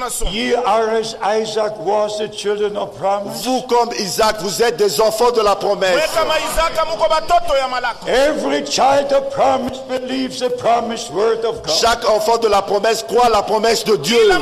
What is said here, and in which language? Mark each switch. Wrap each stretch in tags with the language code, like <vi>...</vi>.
<en>Ye are as Isaac was the children of promise.</en> <fr>Vous comme Isaac, vous êtes des enfants de la promesse.</fr> <en>Every child of promise believes the promised word of God.</en> <fr>Chaque enfant de la promesse croit la promesse de Dieu.</fr>